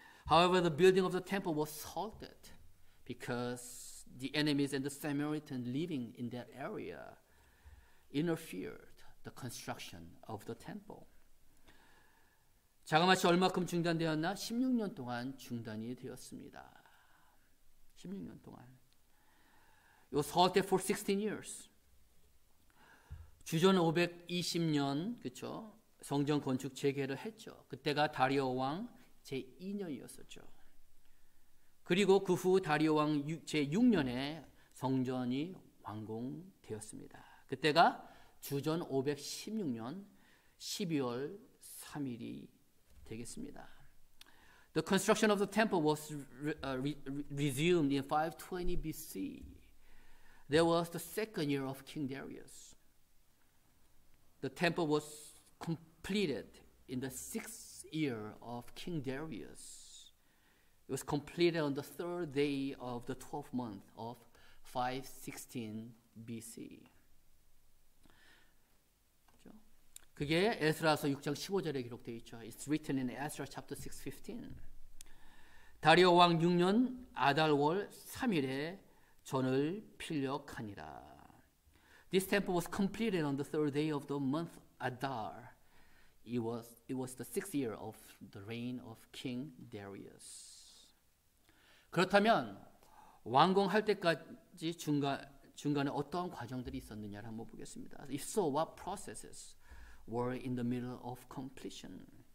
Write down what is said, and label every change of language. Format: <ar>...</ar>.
<en>However, the building of the temple was halted because the enemies and the Samaritans living in that area interfered the construction of the temple.</en> <ko>자그마치 얼마큼 중단되었나? 16년 동안 중단이 되었습니다. 16년 동안.</ko> <en>It was halted for 16 years.</en> <ko>주전 520년, 그쵸? 성전 건축 재개를 했죠. 그때가 다리오 왕 제2년이었었죠. 그리고 그후 다리오 왕 제6년에 성전이 완공되었습니다. 그때가 주전 516년 12월 3일이 되겠습니다.</ko> <en>The construction of the temple was resumed in 520 BC. There was the second year of King Darius. The temple was completed in the sixth year of King Darius. It was completed on the third day of the 12th month of 516 BC.</en> <ko>그게 에스라서 6장 15절에 기록되어 있죠.</ko> <en>It's written in Ezra chapter 6:15.</en> <ko>다리오 왕 6년 아달월 3일에 전을 필력하니라.</ko> <en>This temple was completed on the third day of the month Adar. It was the sixth year of the reign of King Darius.</en> <ko>그렇다면 완공할 때까지 중간에 어떠한 과정들이 있었느냐를 한번 보겠습니다.</ko> <en>If so, what processes were in the middle of completion?</en>